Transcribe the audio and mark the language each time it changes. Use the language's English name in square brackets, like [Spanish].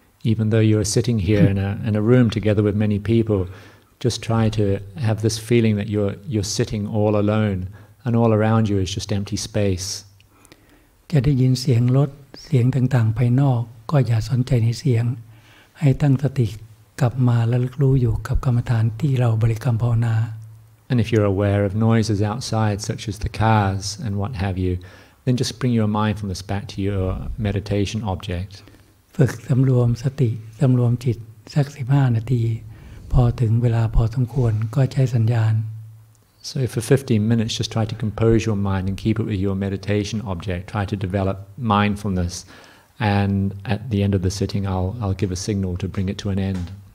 [English] Even though you are sitting here in a room together with many people just try to have this feeling that you're sitting all alone and all around you is just empty space [Thai] จะได้ยินเสียงรถเสียงต่างๆภายนอกก็อย่าสนใจในเสียงให้ตั้งสติกลับมาและระลึกรู้อยู่กับกรรมฐานที่เราบริกรรมภาวนา [English] And if you're aware of noises outside such as the cars and what have you then just bring your mindfulness back to your meditation object [Thai] ฝึกสำรวมสติสำรวมจิตสัก15นาทีพอถึงเวลาพอสมควรก็ใช้สัญญาณ [English] So for 15 minutes just try to compose your mind and keep it with your meditation object try to develop mindfulnessAnd at the end of the sitting, I'll give a signal to bring it to an end.